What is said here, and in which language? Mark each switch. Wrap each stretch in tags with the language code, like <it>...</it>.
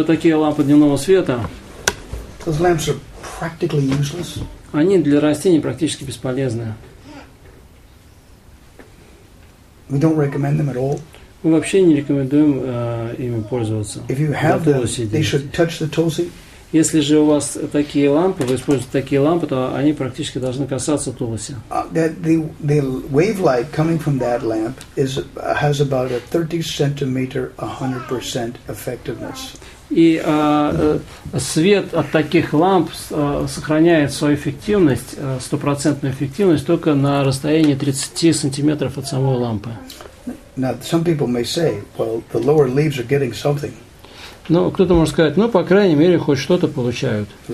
<ru>вот такие лампы дневного света,</ru> <en>those lamps are practically useless.</en> <ru>Они для растений практически бесполезны.</ru> <en>We don't recommend them at all.</en> <ru>Мы вообще не рекомендуем ими пользоваться.</ru> <en>If you have them, they should touch the Tulsi.</en> <ru>Если же у вас такие лампы, вы используете такие лампы, то они практически должны касаться Туласи.</ru> <en>The wave light coming from that lamp has about a 30-centimeter 100% effectiveness.</en> <ru>И свет от таких ламп сохраняет свою эффективность, стопроцентную эффективность, только на расстоянии 30 сантиметров от самой лампы.</ru> <en>Now, some people may say, well, the lower leaves are getting something.</en> <ru>Ну, кто-то может сказать, ну, по крайней мере, хоть что-то получают.</ru>